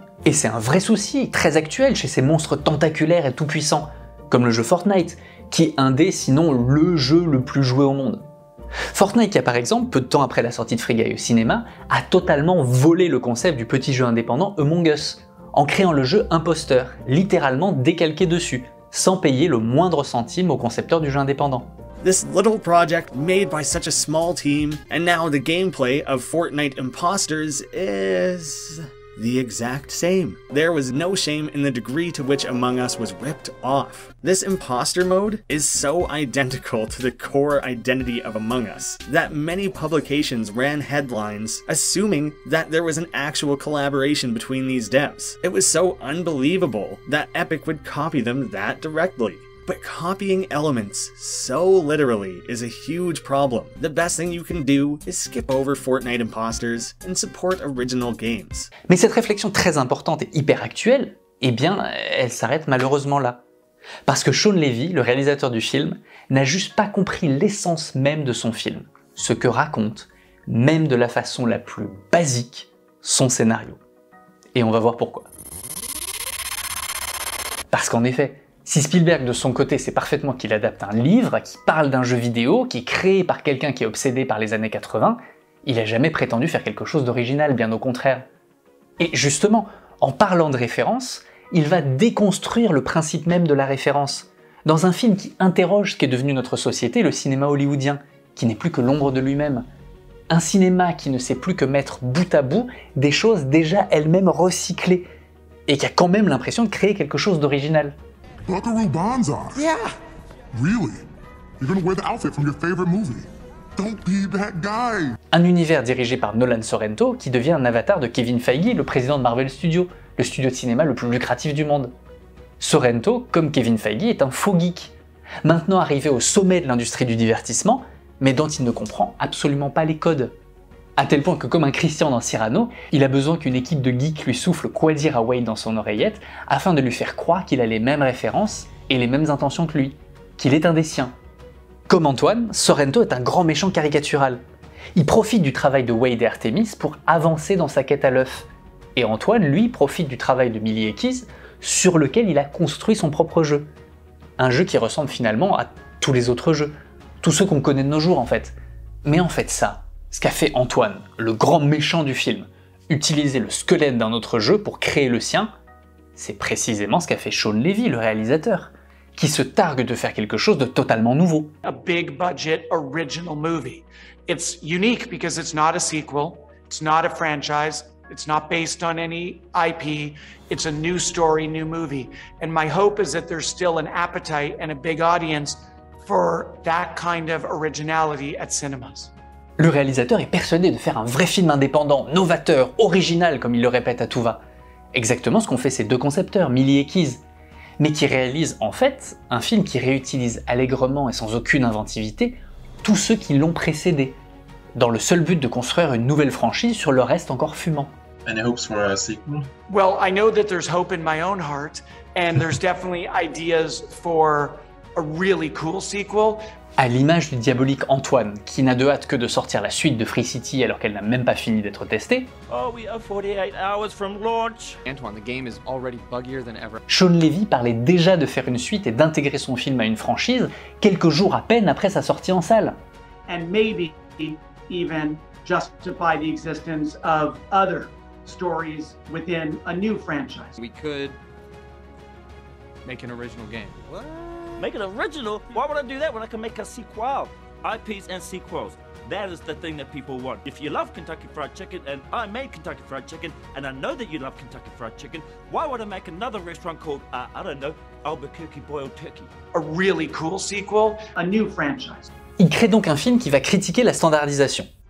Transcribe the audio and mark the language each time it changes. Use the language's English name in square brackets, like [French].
[French] Et c'est un vrai souci, très actuel chez ces monstres tentaculaires et tout-puissants, comme le jeu Fortnite, qui est un des, sinon le jeu le plus joué au monde. Fortnite qui a par exemple, peu de temps après la sortie de Free Guy au cinéma, a totalement volé le concept du petit jeu indépendant Among Us, en créant le jeu Imposteur, littéralement décalqué dessus, sans payer le moindre centime au concepteur du jeu indépendant. [English] This little project made by such a small team, and now the gameplay of Fortnite Imposters is... the exact same. There was no shame in the degree to which Among Us was ripped off. This imposter mode is so identical to the core identity of Among Us that many publications ran headlines assuming that there was an actual collaboration between these devs. It was so unbelievable that Epic would copy them that directly. But copying elements so literally is a huge problem. The best thing you can do is skip over Fortnite imposters and support original games. [French] Mais cette réflexion très importante et hyper actuelle, eh bien, elle s'arrête malheureusement là. Parce que Sean Levy, le réalisateur du film, n'a juste pas compris l'essence même de son film, ce que raconte, même de la façon la plus basique, son scénario. Et on va voir pourquoi. Parce qu'en effet, si Spielberg, de son côté, sait parfaitement qu'il adapte un livre qui parle d'un jeu vidéo qui est créé par quelqu'un qui est obsédé par les années 80, il a jamais prétendu faire quelque chose d'original, bien au contraire. Et justement, en parlant de référence, il va déconstruire le principe même de la référence, dans un film qui interroge ce qu'est devenu notre société, le cinéma hollywoodien, qui n'est plus que l'ombre de lui-même. Un cinéma qui ne sait plus que mettre bout à bout des choses déjà elles-mêmes recyclées, et qui a quand même l'impression de créer quelque chose d'original. [English] Buckaroo Banzai. Yeah. Really? You're gonna wear the outfit from your favorite movie. Don't be that guy. [French] Un univers dirigé par Nolan Sorrento qui devient un avatar de Kevin Feige, le président de Marvel Studios, le studio de cinéma le plus lucratif du monde. Sorrento, comme Kevin Feige, est un faux geek, maintenant arrivé au sommet de l'industrie du divertissement, mais dont il ne comprend absolument pas les codes. À tel point que comme un Christian dans Cyrano, il a besoin qu'une équipe de geeks lui souffle quoi dire à Wade dans son oreillette afin de lui faire croire qu'il a les mêmes références et les mêmes intentions que lui, qu'il est un des siens. Comme Antoine, Sorrento est un grand méchant caricatural. Il profite du travail de Wade et Artemis pour avancer dans sa quête à l'œuf. Et Antoine, lui, profite du travail de Millie et Keys sur lequel il a construit son propre jeu. Un jeu qui ressemble finalement à tous les autres jeux, tous ceux qu'on connaît de nos jours en fait. Mais en fait ça, ce qu'a fait Antoine, le grand méchant du film, utiliser le squelette d'un autre jeu pour créer le sien, c'est précisément ce qu'a fait Sean Levy, le réalisateur, qui se targue de faire quelque chose de totalement nouveau. [English] A big budget original movie. It's unique because it's not a sequel, it's not a franchise, it's not based on any IP, it's a new story, new movie. And my hope is that there's still an appetite and a big audience for that kind of originality at cinemas. [French] Le réalisateur est persuadé de faire un vrai film indépendant, novateur, original, comme il le répète à tout va. Exactement ce qu'ont fait ses deux concepteurs, Millie et Keys. Mais qui réalise, en fait, un film qui réutilise allègrement et sans aucune inventivité tous ceux qui l'ont précédé, dans le seul but de construire une nouvelle franchise sur le reste encore fumant. [English] Any hopes for a sequel? Well, I know that there's hope in my own heart, and there's definitely ideas for a really cool sequel. [French] À l'image du diabolique Antoine, qui n'a de hâte que de sortir la suite de Free City alors qu'elle n'a même pas fini d'être testée. [English] Oh, we have 48 hours from launch. Antoine, the game is already buggier than ever. [French] Sean Levy parlait déjà de faire une suite et d'intégrer son film à une franchise quelques jours à peine après sa sortie en salle. [English] And maybe even justify the existence of other stories within a new franchise. We could make an original game. What? Make it original? Why would I do that when I can make a sequel? IPs and sequels, that is the thing that people want. If you love Kentucky Fried Chicken, and I made Kentucky Fried Chicken, and I know that you love Kentucky Fried Chicken, why would I make another restaurant called, I don't know, Albuquerque Boiled Turkey? A really cool sequel, a new franchise. [French] Il crée donc un film qui va critiquer la standardisation.